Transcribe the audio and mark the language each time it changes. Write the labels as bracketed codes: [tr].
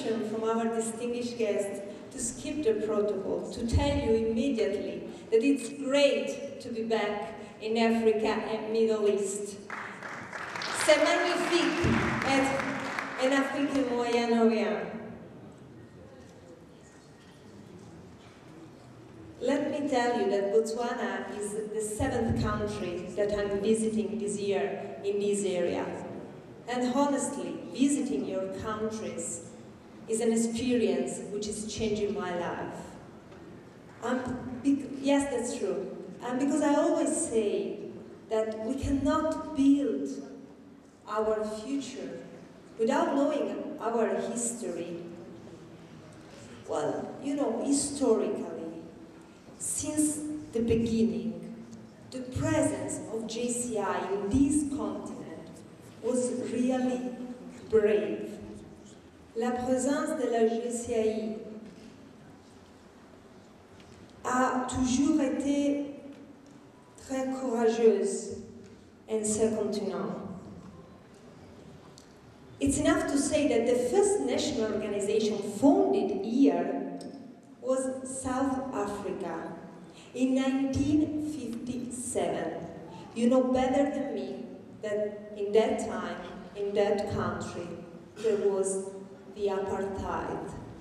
[en] From our distinguished guest to skip the protocol, to tell you immediately that it's great to be back in Africa and Middle East. [fr] C'est magnifique être en Afrique et Moyen-Orient. [en] Let me tell you that Botswana is the seventh country that I'm visiting this year in this area. And honestly, visiting your countries is an experience which is changing my life. Yes, that's true. And because I always say that we cannot build our future without knowing our history. Well, you know, historically, since the beginning, the presence of JCI in this continent was really brave. [fr] La présence de la JCI a toujours été très courageuse en ce continent. [en] It's enough to say that the first national organization founded here was South Africa in 1957. You know better than me that in that time, in that country, there was the apartheid.